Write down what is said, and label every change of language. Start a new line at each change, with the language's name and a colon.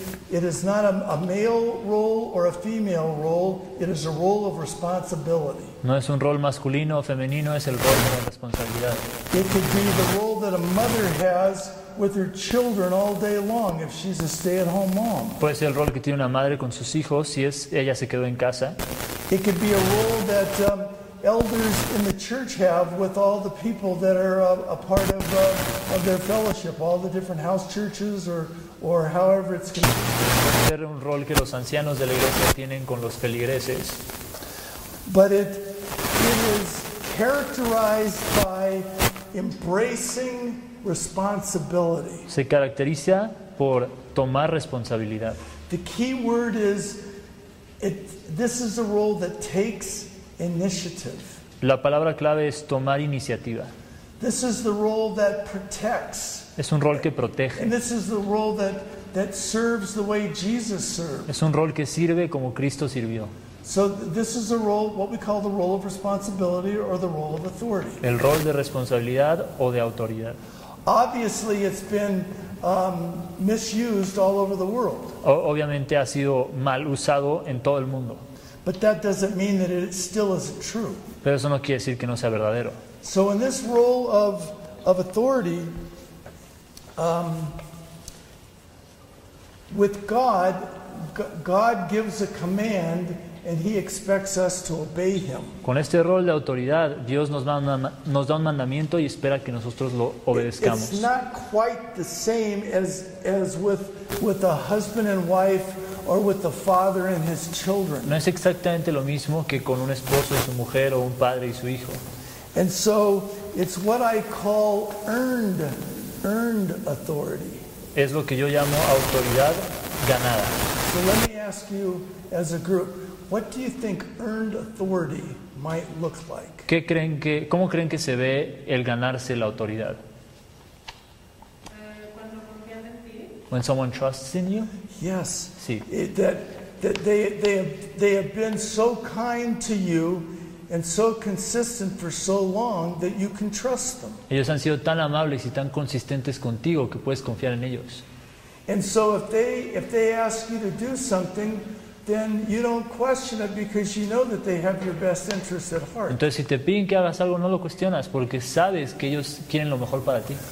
English: It is not a male role or a female role. It is a role of responsibility.
Spanish: No es un rol masculino o femenino, es el rol de la responsabilidad.
English: It could be the role that a mother has with her children all day long if she's a stay-at-home mom.
Spanish: Puede ser el rol que tiene una madre con sus hijos si es ella se quedó en casa.
English: It could be a role that elders in the church have with all the people that are a part of their fellowship, all the different house churches or however it's going to be.
Spanish: Puede ser un rol que los ancianos de la iglesia tienen con los feligreses.
English: But it is characterized by embracing responsibility.
Spanish: Se caracteriza por tomar responsabilidad.
English: The key word is this is a role that takes initiative.
Spanish: La palabra clave es tomar iniciativa.
English: This is the role that protects.
Spanish: Es un rol que protege.
English: And this is the role that serves the way Jesus served.
Spanish: Es un rol que sirve como Cristo sirvió.
English: So this is a role, what we call the role of responsibility or the role of authority.
Spanish: El rol de responsabilidad o de autoridad.
English: Obviously, it's been misused all over the world.
Spanish: Obviamente, ha sido mal usado en todo el mundo.
English: But that doesn't mean that it still isn't true.
Spanish: Pero eso no quiere decir que no sea verdadero.
English: So, in this role of authority, with God, God gives a command, and He expects us to obey Him.
Spanish: Con este rol de autoridad, Dios nos da un mandamiento y espera que nosotros lo obedezcamos.
English: It's not quite the same as with a husband and wife or with the father and his children.
Spanish: No es exactamente lo mismo que con un esposo y su mujer o un padre y su hijo.
English: And so It's what I call earned authority.
Spanish: Es lo que yo llamo autoridad ganada.
English: So let me ask you as a group, what do you think earned authority might look like?
Spanish: ¿Qué creen que, cómo creen que se ve el ganarse la autoridad? Cuando confían en ti.
English: When someone trusts in you? Yes.
Spanish: Sí.
English: That they have been so kind to you and so consistent for so long that you can trust them.
Spanish: Ellos han sido tan amables y tan consistentes contigo que puedes confiar en ellos.
English: And so if they ask you to do something, then you don't question it because you know that they have your best interest at heart.
Spanish: Entonces, si te piden que hagas algo, no lo cuestionas porque sabes que ellos quieren lo mejor para ti.